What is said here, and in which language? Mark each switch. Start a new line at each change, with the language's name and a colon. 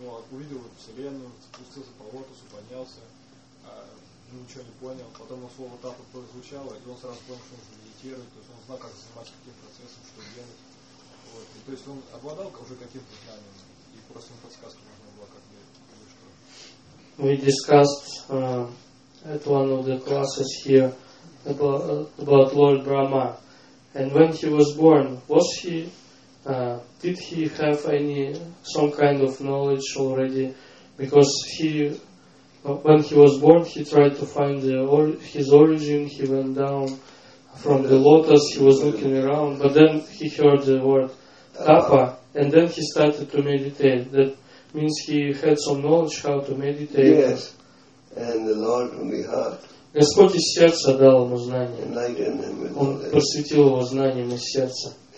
Russian: увидел Вселенную, спустился по лотосу, поднялся, ничего не понял. Потом слово «тапа» прозвучало, и он сразу понял, что нужно медитировать, то есть он знал, как заниматься каким процессом, что делать. Вот. И, то есть он обладал уже каким-то знанием, и просто ему подсказка нужна была, как делать, или что.
English: We discussed at one of the classes here about Lord Brahma. And when he was born, was he... did he have any some kind of knowledge already? Because he, when he was born, he tried to find his origin. He went down from the lotus. He was looking around, but then he heard the word tapa, and then he started to meditate. That means he had some knowledge how to meditate. Yes, and the Lord from the heart.
Russian: Господь из сердца дал ему знания. Он посвятил его знаниям из сердца.